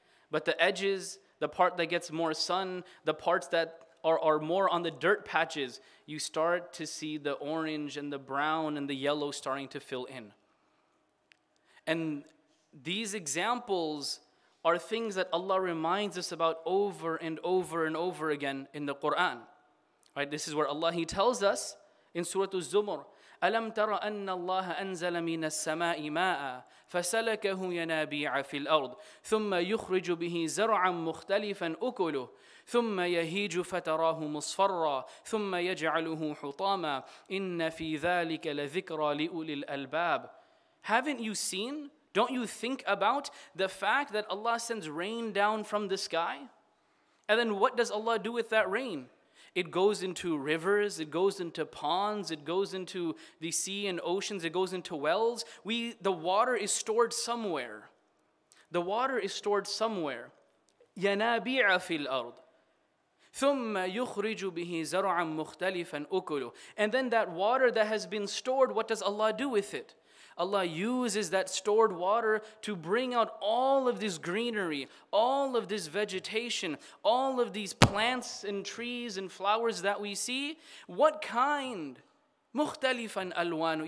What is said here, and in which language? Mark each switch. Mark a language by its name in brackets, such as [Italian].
[English] But the edges, the part that gets more sun, the parts that are more on the dirt patches, you start to see the orange and the brown and the yellow starting to fill in. And these examples are things that Allah reminds us about over and over and over again in the Quran. Right? This is where Allah, He tells us in Surah Az-Zumur, [Arabic] أَلَمْ تَرَ أَنَّ اللَّهَ أَنزَلَ مِنَ السَّمَاءِ مَاءً فَسَلَكَهُ يَنَابِيعَ فِي الْأَرْضِ ثُمَّ يُخْرِجُ بِهِ زَرْعًا مُخْتَلِفًا أُكُلُهُ ثُمَّ يَهِيجُ فَتَرَاهُ مُصْفَرًّا ثُمَّ يَجْعَلُهُ حُطَامًا إِنَّ فِي ذَلِكَ لَذِكْرَى لِأُولِي الْأَلْبَابِ. [English] Haven't you seen? Don't you think about the fact that Allah sends rain down from the sky? And then what does Allah do with that rain? It goes into rivers, it goes into ponds, it goes into the sea and oceans, it goes into wells. The water is stored somewhere. The water is stored somewhere. [Arabic] يَنَابِعَ فِي الْأَرْضِ ثُمَّ يُخْرِجُ بِهِ زَرْعًا مُخْتَلِفًا أُكُلُهُ. [English] And then that water that has been stored, what does Allah do with it? Allah uses that stored water to bring out all of this greenery, all of this vegetation, all of these plants and trees and flowers that we see. What kind? [Arabic] مُخْتَلِفًا أَلْوَانُ.